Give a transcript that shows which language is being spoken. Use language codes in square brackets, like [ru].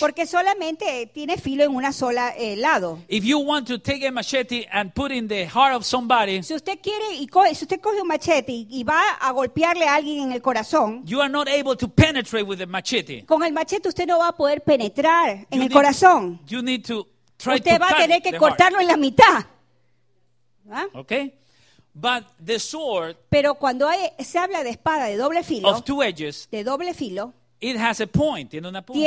[es] Porque solamente tiene filo en una sola lado. [en] If you want to take a machete and put in the heart of somebody, [es] si usted quiere y si usted coge un machete y va a golpearle a alguien en el corazón, [en] you are not able to penetrate with the machete. [es] Con el machete usted no va a poder penetrar en el corazón. [en] You need to try [es] usted va [en] cut [es] a tener que cortarlo [en] heart. [es] En la mitad. [en] ¿Ah? Okay. But the sword, [es] pero cuando se habla de espada de doble filo, [en] of two edges, [es] de doble filo, [en] it has a point, [es] tiene una punta.